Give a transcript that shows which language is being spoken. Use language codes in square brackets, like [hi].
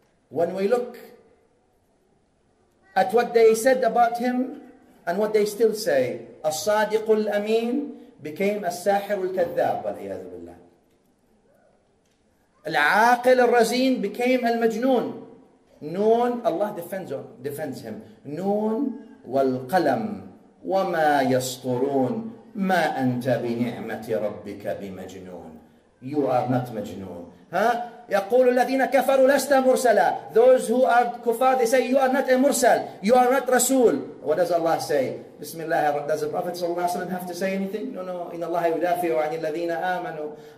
[en] When we look at what they said about him and what they still say, As-Sadiq al-Amin became [ar] As-Sahir al-Kadhab, wal-Iyadhu Billah. [en] Al-Aqil al-Razin became Al-Majnoon. Noon, Allah defends him. Noon wal-Qalam. [ar] وما يسطرون ما أنت بنعمة ربك بمجنون. [en] You are not مجنون. [ar] يقول الذين كفروا لست مرسلا. [en] Those who are kuffar, they say you are not a مرسل. You are not رسول. What does Allah say? [ar] بسم الله. [en] Does the Prophet صلى الله عليه وسلم have to say anything? No. [ar] إن الله يدافع عن الذين آمنوا.